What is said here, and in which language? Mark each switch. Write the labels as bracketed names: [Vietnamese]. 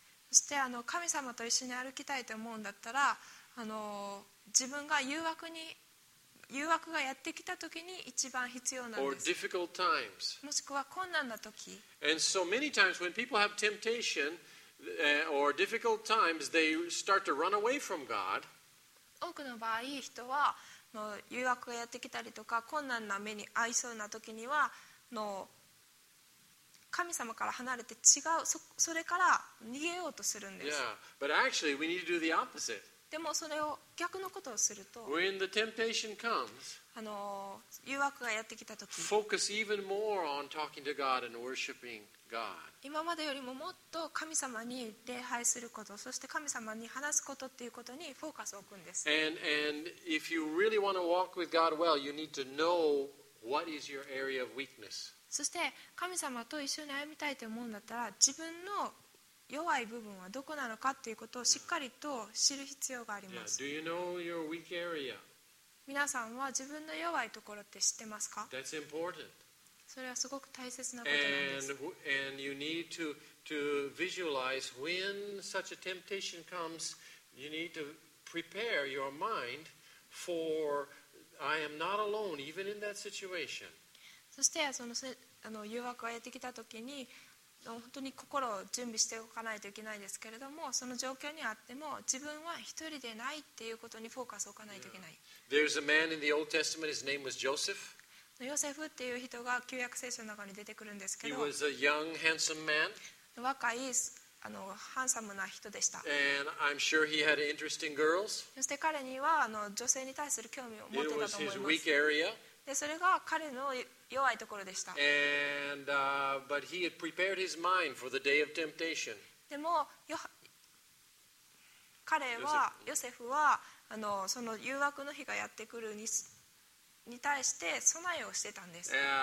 [Japanese] そして神様と一緒に歩きたいと思うんだったら自分が誘惑がやってきたときに一番必要なんです。もしくは困難なとき。 [English] And so many times when people have temptation or difficult times, they start to run away from God. [Japanese] 多くの場合、人は誘惑がやってきたりとか困難な目に遭いそうなときには、神様から離れて違う、それから逃げようとするんです。 [English] Yeah, but actually we need to do the opposite. [Japanese] でもそれを逆のことをすると [English] When the temptation comes, [Japanese] 誘惑がやってきたとき [English] focus even more on talking to God and worshiping God. [Japanese] 今までよりももっと神様に礼拝することそして神様に話すことっていうことにフォーカスを置くんです。 [English] And if you really want to walk with God well, you need to know what is your area of weakness. [Japanese] そして神様と一緒に歩みたいと思うんだったら自分の弱い部分はどこなのかということをしっかりと知る必要があります。 [English] Yeah. Do you know your weak area? [Japanese] 皆さんは自分の弱いところって知ってますか? [English] That's important. [Japanese] それはすごく大切なことなんです。 [English] And you need to visualize when such a temptation comes, you need to prepare your mind for I am not alone even in that situation. [Japanese] そして誘惑がやってきたときに本当に心を準備しておかないといけないですけれどもその状況にあっても自分は一人でないっていうことにフォーカスを置かないといけない。 [English] Yeah. There's a man in the Old Testament, his name was Joseph. [Japanese] ヨセフっていう人が旧約聖書の中に出てくるんですけど [English] He was a young, handsome man. [Japanese] 若いハンサムな人でした。 [English] And I'm sure he had interesting girls. [Japanese] そして彼には女性に対する興味を持ってたと思います。 [English] It was his weak area. [Japanese] でそれが彼の弱いところでした。 [English] And, but he had prepared his mind for the day of temptation. [Japanese] でも彼はヨセフはその誘惑の日がやってくるに対して備えをしてたんです。